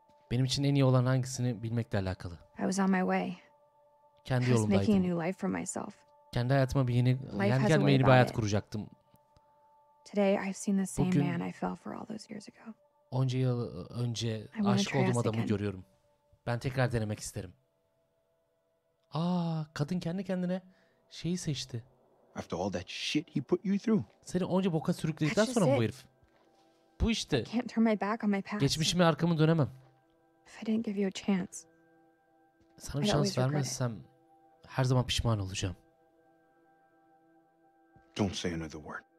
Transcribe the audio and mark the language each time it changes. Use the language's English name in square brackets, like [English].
[Turkish] Benim için en iyi olan hangisini bilmekle alakalı. [English] I was on my way. [Turkish] Kendi yolumdaydım. [English] Making a new life for myself. [Turkish] Kendi hayatıma bir yeni, yani kendime yeni bir hayat kuracaktım. [English] Today I've seen the same man I fell for all those years ago. [Turkish] Onca yıl önce aşık olduğum adamı görüyorum. Ben tekrar denemek isterim. Aa, kadın kendi kendine şeyi seçti. [English] After all that shit he put you through. [Turkish] Seni onca boka sürükledikten sonra mı bu herif? Bu işte. [English] I can't turn my back on my past. [Turkish] Geçmişime arkamı dönemem. [English] If I didn't give you a chance. [Turkish] Sana bir şans vermezsem her zaman pişman olacağım. [English] Don't say another word.